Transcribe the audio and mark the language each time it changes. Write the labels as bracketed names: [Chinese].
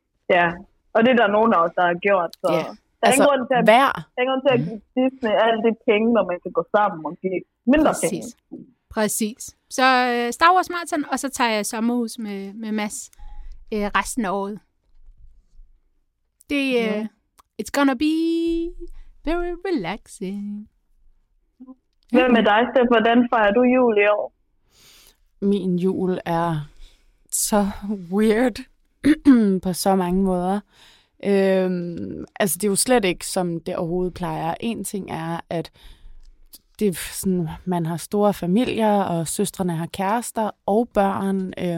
[Danish] Ja, og det er der nogen af os, der har gjort. Så ja. Der er ingen grund til at give Disney alle de penge, når man kan gå sammen og give mindre Præcis. Penge. Præcis. Så Star Wars Marathon, og så tager jeg sommerhus med Mads resten af året. Det er... [English] It's gonna be very relaxing. [Danish] Hvad med dig, Steph? Hvordan fejrer du jul i år? Min jul er så weird på så mange måder. Det er jo slet ikke, som det overhovedet plejer. En ting er, at det er sådan, man har store familier, og søstrene har kærester og børn.